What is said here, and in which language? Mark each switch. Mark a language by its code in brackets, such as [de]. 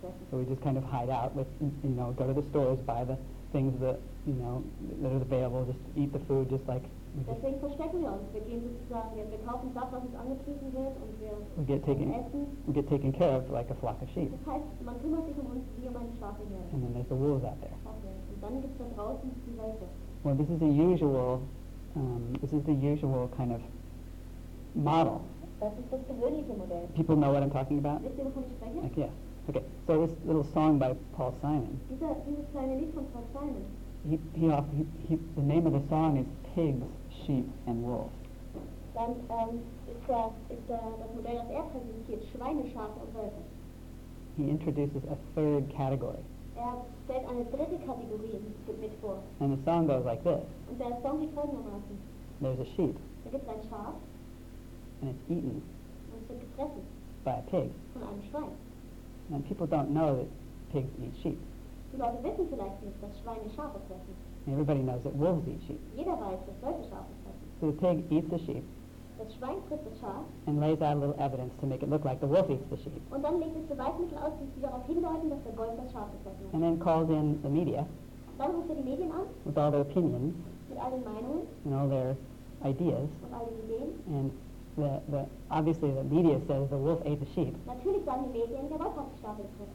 [en] So we just kind of hide out with, you know, go to the stores, buy the things that, you know, that are available, just eat the food just like... [de] Deswegen verstecken wir uns. Wir gehen sozusagen, wir kaufen das, was uns angetrieben wird, und wir essen. [en] We get taken care of like a flock of sheep. [de] Das heißt, man kümmert sich um uns wie um eine Schafe hier. [en] And then there's the wolves out there. [de] Okay. Und dann gibt's da draußen die Wölfe. [en] Well, this is the usual, kind of model. [de] Das ist das gewöhnliche Modell. [en] People know what I'm talking about? [de] Wisst ihr, wovon ich spreche? [en] Like, yeah. Okay. So this little song by Paul Simon. [de] Dieses kleine Lied von Paul Simon. [en] The name of the song is Pigs, Sheep, and Wolves. [de] Dann ist das Modell, das er präsentiert, Schweine, Schafe und Wölfe. [en] He introduces a third category. [de] Er stellt eine dritte Kategorie mit vor. [en] And the song goes like this. [de] Und der Song geht folgendermaßen. [en] There's a sheep. [de] Da gibt's ein Schaf. [en] And it's eaten. [de] Und es wird gefressen. [en] By a pig. [de] Von einem Schwein. [en] And people don't know that pigs eat sheep. [de] Die Leute wissen vielleicht nicht, dass Schweine Schafe fressen. [en] Everybody knows that wolves eat sheep. [de] Jeder weiß, dass Wölfe Schafe fressen. [en] So the pig eats the sheep. [de] Das Schwein frisst das Schaf. [en] And lays out a little evidence to make it look like the wolf eats the sheep. [de] Und dann legt es Beweismittel aus, die darauf hindeuten, dass der Wolf das Schaf fressen. [en] And then calls in the media. [de] Dann ruft er die Medien an. [en] With all their opinions. [de] Mit all den Meinungen. [en] And all their ideas. [de] Und all den Ideen. [en] And the obviously the media says the wolf ate the sheep. [de] Natürlich sagen die Medien, der Wolf hat das Schaf gefressen.